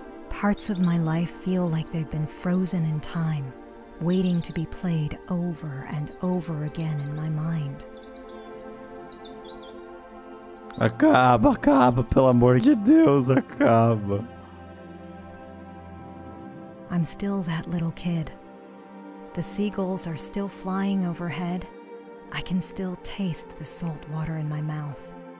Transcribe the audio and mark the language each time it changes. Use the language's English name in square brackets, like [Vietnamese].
[English] Parts of my life feel like they've been frozen in time, waiting to be played over and over again in my mind. [Portuguese] Acaba, acaba, pelo amor de Deus, acaba. [English] I'm still that little kid. The seagulls are still flying overhead. I can still taste the salt water in my mouth.